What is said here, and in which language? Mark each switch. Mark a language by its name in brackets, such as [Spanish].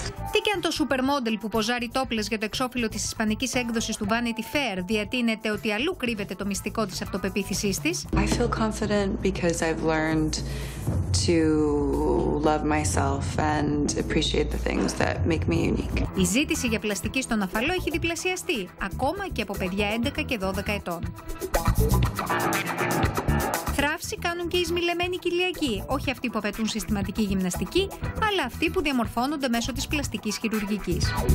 [Greek] Τι και αν το σούπερ μόντελ που ποζάρει τόπλες για το εξώφυλλο της ισπανικής έκδοσης του Vanity Fair διατείνεται ότι αλλού κρύβεται το μυστικό της αυτοπεποίθησής της. [English] I feel confident because I've learned to love myself and appreciate the things that make me unique. [Greek] Η ζήτηση για πλαστική στον αφαλό έχει διπλασιαστεί, ακόμα και από παιδιά 11 και 12 ετών. Θράψη κάνουν και οι σμιλεμένοι κοιλιακοί, όχι αυτοί που απαιτούν συστηματική γυμναστική, αλλά αυτοί που διαμορφώνονται μέσω της πλαστικής χειρουργικής.